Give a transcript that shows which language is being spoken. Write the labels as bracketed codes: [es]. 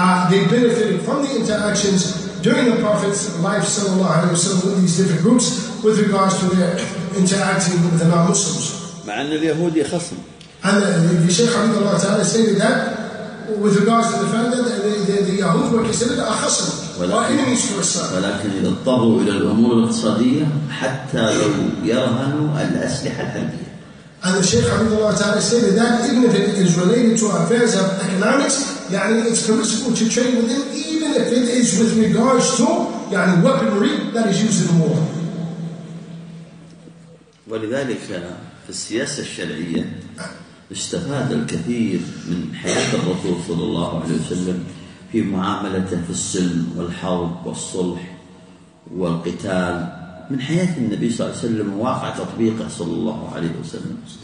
[en] They benefited from the interactions during the Prophet's life sallallahu alayhi wa sallam with these different groups with regards to their interacting with the non-Muslims. [ar] مع أن اليهود يخصم. [en] And the Shaykh Hafidhullah ta'ala stated that with regards to the fact that the Yahud were considered a khasr, or enemies to Islam. [ar] ولكن إذا اضطروا إلى الأمور الاقتصادية حتى لو يرهنوا الأسلحة الحربية. [en] And the Shaykh Hafidhullah ta'ala stated that even if it is related to affairs of economics, [ar] يعني [en] it's permissible to trade with them even if it is with regards to يعني weaponry that is used in war. [ar] ولذلك في السياسة الشرعية استفاد الكثير من حياة الرسول صلى الله عليه وسلم في معاملته في السلم والحرب والصلح والقتال من حياة النبي صلى الله عليه وسلم وواقع تطبيقه صلى الله عليه وسلم.